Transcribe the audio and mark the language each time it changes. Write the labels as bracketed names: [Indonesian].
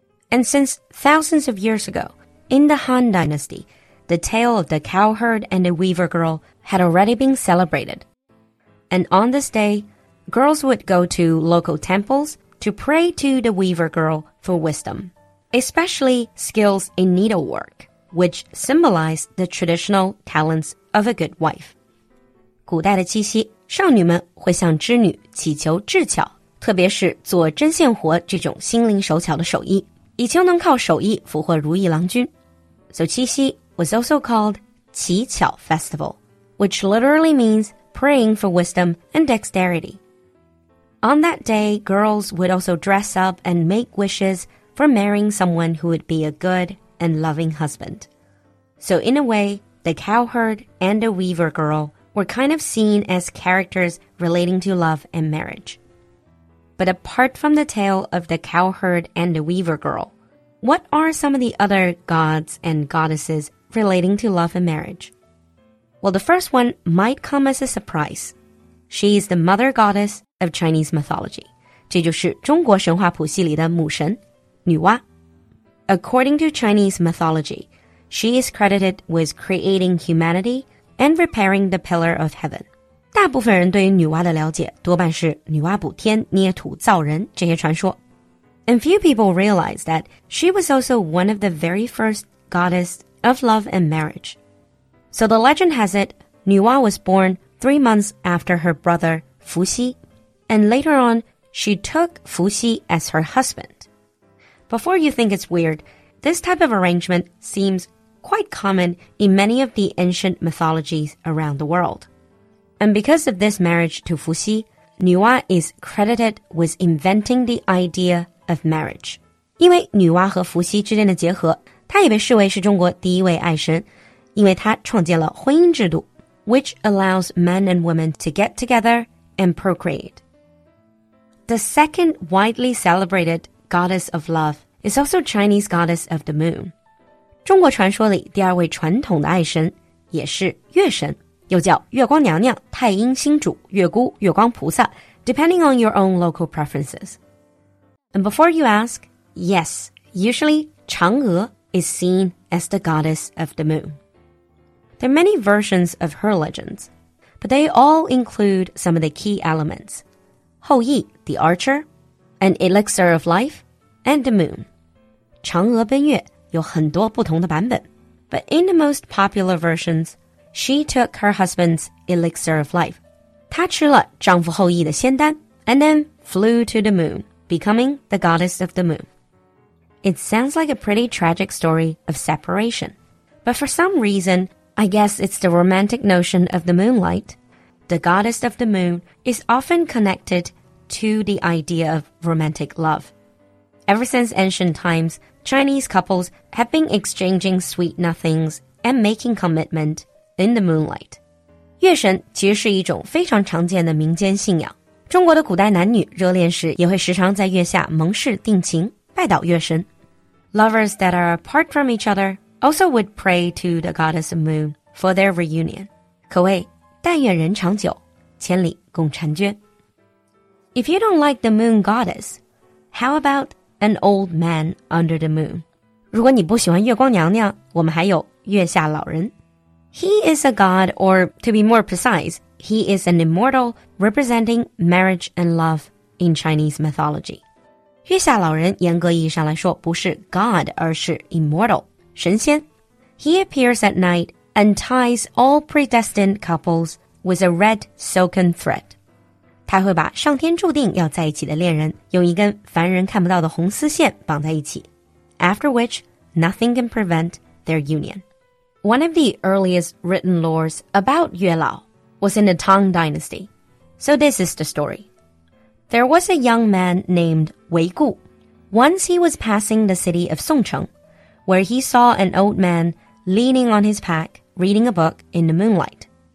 [English] And since thousands of years ago,In the Han Dynasty, the tale of the cowherd and the weaver girl had already been celebrated. And on this day, girls would go to local temples to pray to the weaver girl for wisdom, especially skills in needlework, which symbolized the traditional talents of a good wife. [Chinese] 古代的七夕，少女们会向织女祈求智巧，特别是做针线活这种心灵手巧的手艺。以求能靠手艺俘获如意郎君。 [English] So 七夕 was also called 乞巧 festival, which literally means praying for wisdom and dexterity. On that day, girls would also dress up and make wishes for marrying someone who would be a good and loving husband. So in a way, the cowherd and the weaver girl were kind of seen as characters relating to love and marriage. But apart from the tale of the cowherd and the weaver girl, what are some of the other gods and goddesses relating to love and marriage? Well, the first one might come as a surprise. She is the mother goddess of Chinese mythology. [Chinese] 这就是中国神话谱系里的母神，女娲。 [English] According to Chinese mythology, she is credited with creating humanity and repairing the pillar of heaven. [Chinese] 大部分人对于女娲的了解多半是女娲补天、捏土造人这些传说。 [English] And few people realize that she was also one of the very first goddess of love and marriage. So the legend has it, 女娲 was born 3 months after her brother, Fu Xi, and later on, she took Fu Xi as her husband. Before you think it's weird, this type of arrangement seems quite common in many of the ancient mythologies around the world. And because of this marriage to Fu Xi, Nüwa is credited with inventing the idea of marriage. [Chinese] 因为女娲和伏羲之间的结合，她也被视为是中国第一位爱神，因为她创建了婚姻制度 [English] ，which allows men and women to get together and procreate. The second widely celebrated goddess of love is also Chinese goddess of the moon. [Chinese] 中国传说里第二位传统的爱神也是月神，又叫月光娘娘、太阴星主、月姑、月光菩萨 ， [English] depending on your own local preferences. And before you ask. Yes, usually 嫦娥 is seen as the goddess of the moon. There are many versions of her legends, but they all include some of the key elements. 后羿, the archer, an elixir of life, and the moon. [Chinese] 嫦娥奔月有很多不同的版本, [English] but in the most popular versions, she took her husband's elixir of life. [Chinese] 她吃了丈夫后羿的仙丹, [English] and then flew to the moon, becoming the goddess of the moon. It sounds like a pretty tragic story of separation. But for some reason, I guess it's the romantic notion of the moonlight. The goddess of the moon is often connected to the idea of romantic love. Ever since ancient times, Chinese couples have been exchanging sweet nothings and making commitment in the moonlight. [Chinese] 月神其实是一种非常常见的民间信仰。中国的古代男女热恋时也会时常在月下盟誓定情。拜倒月神 [English] Lovers that are apart from each other also would pray to the goddess of moon for their reunion. [Chinese] 可谓但愿人长久千里共婵娟 [English] If you don't like the moon goddess, how about an old man under the moon? [Chinese] 如果你不喜欢月光娘娘我们还有月下老人 [English] He is a god, or to be more precise, he is an immortal representing marriage and love in Chinese mythology. [Chinese] 月下老人严格意义上来说不是 God 而是 Immortal, 神仙。 [English] He appears at night and ties all predestined couples with a red silken thread. [Chinese] 他会把上天注定要在一起的恋人用一根凡人看不到的红丝线绑在一起。 [English] After which, nothing can prevent their union. One of the earliest written lores about 月老 was in the Tang Dynasty. So this is the story. There was a young man named Wei Gu. Once he was passing the city of Songcheng, where he saw an old man leaning on his pack, reading a book in the moonlight.